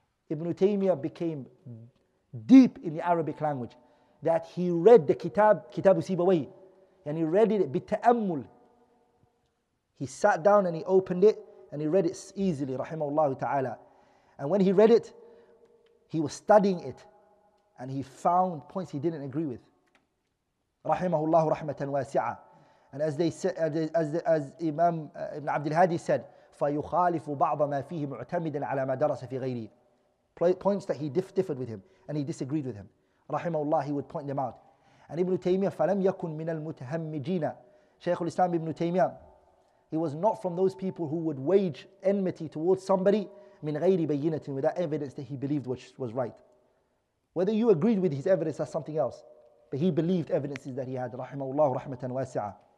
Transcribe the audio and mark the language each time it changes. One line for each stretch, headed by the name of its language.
English: Ibn Taymiyyah became deep in the Arabic language, that he read the Kitab Sibawayh. And he read it بتأمل. He sat down and he opened it and he read it easily, rahimahullah ta'ala. And when he read it, he was studying it and he found points he didn't agree with.
Arabic: Rahimahullah rahmatan wasi'a.
English: And as Imam Ibn Abdul Hadi said,
Arabic: فَيُخَالِفُ بَعْضَ مَا فِيهِ مُعْتَمِدًا عَلَى مَا دَرَسَ فِي غَيْرِي.
English: Points that he differed with him and he disagreed with him. Rahimahullah, he would point them out.
Arabic: And Ibn Taymiyyah, فَلَمْ يَكُنْ مِنَ الْمُتَهَمِّجِينَ.
English: Shaykh al-Islam Ibn Taymiyyah, he was not from those people who would wage enmity towards somebody
Arabic: مِنْ غَيْرِ بَيِّنَةٍ,
English: without evidence that he believed which was right. Whether you agreed with his evidence or something else, but he believed evidences that he had.
Arabic: رَحِمَهُ رَحْمَةً وَاسِعَةً.